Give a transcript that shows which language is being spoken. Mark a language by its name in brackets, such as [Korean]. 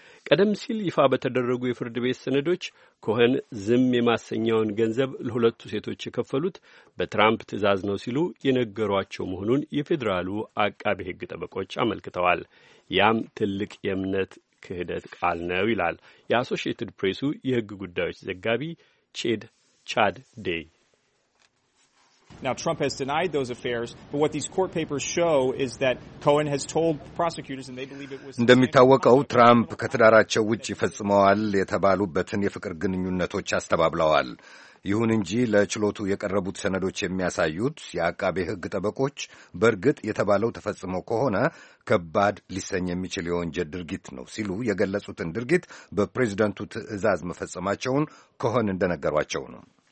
[Amharic] ቀደም ሲል ይፋ በተደረጉ የፍርድ ቤት ሰነዶች ኮሆን ዝም የማሰኛውን ገንዘብ ለሁለቱ ሴቶች የከፈሉት በትራምፕ ትዕዛዝ ነው ሲሉ የነገሯቸው መሆኑን የፌዴራሉ አቃቤ ሕግ ጠበቆች አመልክተዋል። ያም ትልቅ የእምነት ክህደት ቃል ነው ይላል የአሶሺየትድ ፕሬሱ የሕግ ጉዳዮች ዘጋቢ ቻድ ዴይ። [English] Now Trump has denied those affairs, but what these court papers show is that Cohen has told prosecutors and they believe it was [Amharic] እንደሚታወቀው ትራምፕ ከተዳራቸው ውጪ ፈጽመዋል የተባሉበትን የፍቅር ግንኙነቶች አስተባብለዋል። ይሁን እንጂ ለችሎቱ የቀረቡት ሰነዶች የሚያሳዩት ያቃቤ ሕግ ጠበቆች በርግጥ የተባለው ተፈጽሞ ከሆነ ከባድ ሊሰኝ የሚችል የወንጀል ድርጊት ነው ሲሉ የገለጹትን ድርጊት በፕሬዝዳንቱ ትዕዛዝ መፈጸማቸውን ኮሆን እንደነገሯቸው ነው።